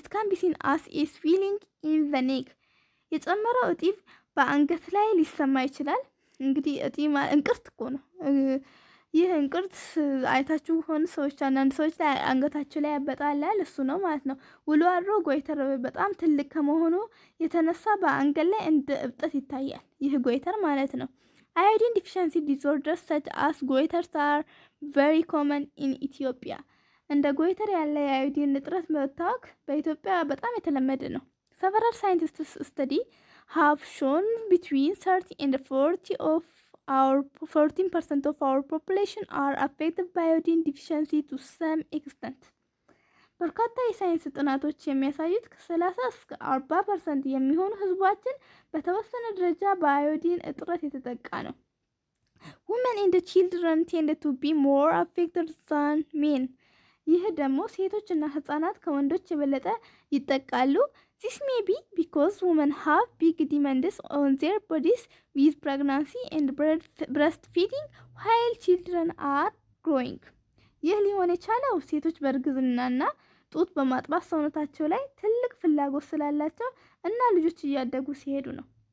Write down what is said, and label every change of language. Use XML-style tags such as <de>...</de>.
<en>be seen as a swelling in the neck</en> <am>የጨመረው እጢ በአንገት ላይ ሊሰማ ይችላል እንግዲህ እጢ እንቅርት እኮ ነው ይህ እንቅርት አይታችሁ ሆነ ሰዎች አንዳንድ ሰዎች ላይ አንገታቸው ላይ ያበጣላል እሱ ነው ማለት ነው ውሎ አድሮ goiter በጣም ትልቅ ከመሆኑ የተነሳ በአንገት ላይ እንደ እብጠት ይታያል ይህ goiter ማለት ነው</am> <en>Iodine deficiency disorders such as goiters are very common in Ethiopia.</en> <am>And the goiter ያለ የአዮዲን እጥረት መታወክ በኢትዮጵያ በጣም የተለመደ ነው.</am> <en>Several scientists study have shown between 30 and 40 of 14% of our population are affected by iodine deficiency to some extent.</en> <am>በርካታ የሳይንስ ጥናቶች የሚያሳዩት ከ30 እስከ 40% የሚሆኑ ህዝባችን በተወሰነ ደረጃ በአዮዲን እጥረት የተጠቃ ነው።</am> <en>Women and the children tend to be more affected than men.</en> <am>ይህ ደግሞ ሴቶችና ህፃናት ከወንዶች የበለጠ ይጠቃሉ።</am> <en>This may be because women have big demands on their bodies with pregnancy and breastfeeding while children are growing.</en> <am>ይህ ሊሆን የቻለው ሴቶች በእርግዝናና ጡት በማጥባት ሰውነታቸው ላይ ትልቅ ፍላጎት ስላላቸው እና ልጆች እያደጉ ሲሄዱ ነው።</am>